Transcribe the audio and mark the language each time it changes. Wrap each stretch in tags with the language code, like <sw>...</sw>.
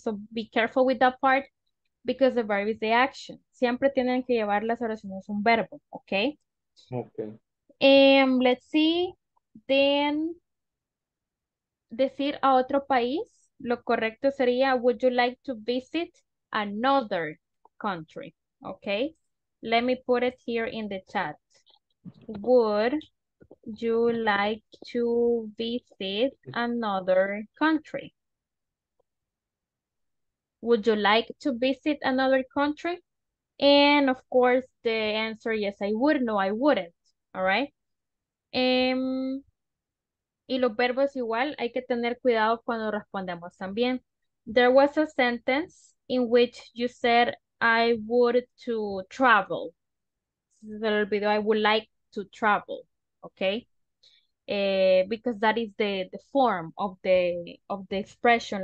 <en>So be careful with that part. Because the verb is the action.</en> <es>Siempre tienen que llevar las oraciones un verbo, okay?</es> <en>Okay. Let's see. Then,</en> <es>decir a otro país, lo correcto sería,</es> <en>would you like to visit another country? Okay? Let me put it here in the chat. Would you like to visit another country? Would you like to visit another country? And of course, the answer, yes, I would. No, I wouldn't. All right.</en> <es>Y los verbos igual, hay que tener cuidado cuando respondemos también.</es> <en>There was a sentence in which you said, I would to travel.</en> <es>Se le olvidó,</es> <en>I would like to travel. Okay. Because that is the form of the expression.</en>